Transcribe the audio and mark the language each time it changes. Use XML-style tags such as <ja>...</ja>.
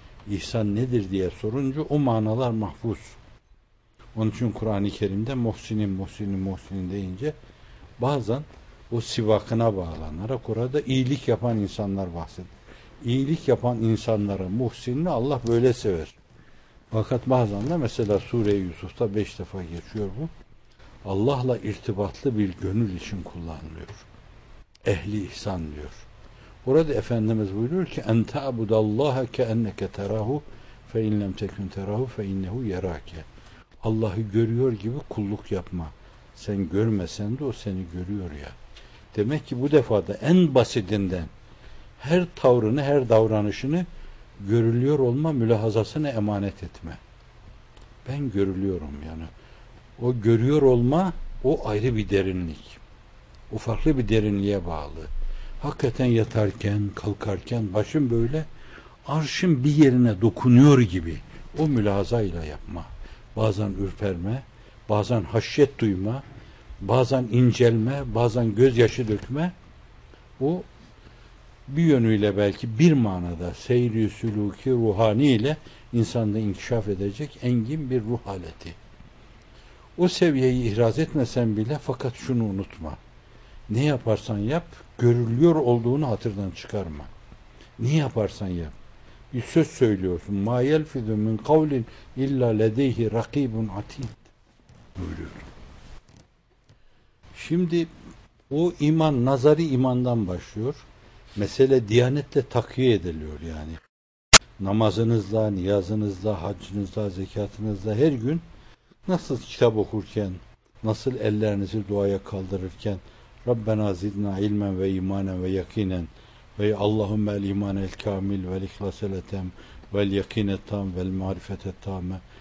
<tr>İhsan nedir diye sorunca o manalar mahfuz. Onun için Kur'an-ı Kerim'de muhsinin, muhsinin, muhsinin deyince bazen o sivakına bağlanarak orada iyilik yapan insanlar bahseder. İyilik yapan insanların muhsinini Allah böyle sever. Fakat bazen de mesela Sure-i Yusuf'ta 5 defa geçiyor bu. Allah'la irtibatlı bir gönül için kullanılıyor. Ehli ihsan diyor.</tr> <ar>Orada Efendimiz buyuruyor ki اَنْ تَعْبُدَ اللّٰهَ كَاَنَّكَ تَرَاهُ فَاِنْ لَمْ تَكُنْ تَرَاهُ فَاِنَّهُ يَرَاكَ.</ar> <tr>Allah'ı görüyor gibi kulluk yapma. Sen görmesen de o seni görüyor ya. Demek ki bu defa da en basitinden her tavrını, her davranışını görülüyor olma mülahazasına emanet etme. Ben görülüyorum yani. O görüyor olma, o ayrı bir derinlik. O farklı bir derinliğe bağlı. Hakikaten yatarken, kalkarken başım böyle arşın bir yerine dokunuyor gibi o mülahazayla yapma. Bazen ürperme, bazen haşyet duyma, bazen incelme, bazen gözyaşı dökme. Bu bir yönüyle belki bir manada seyri süluki ruhani ile insanda inkişaf edecek engin bir ruh aleti. O seviyeyi ihraz etmesen bile fakat şunu unutma. Ne yaparsan yap, görülüyor olduğunu hatırdan çıkarma. Ne yaparsan yap. Bir söz söylüyorsun.</tr> <ar>مَا يَلْفِذُ مِنْ قَوْلٍ اِلَّا لَدَيْهِ رَقِيبٌ عَتِيدٌ</ar> <tr>buyuruyor. Şimdi o iman, nazari imandan başlıyor. Mesele diyanetle takviye ediliyor yani. Namazınızla, niyazınızla, haccınızla, zekatınızla her gün nasıl kitap okurken, nasıl ellerinizi duaya kaldırırken</tr> <ar>رَبَّنَا زِدْنَا اِلْمًا وَاِيْمَانًا وَيَقِينًا Ve Allahümme el iman el kamil vel ihlas el etem vel yakin et tam vel marifet et tamme.</ar>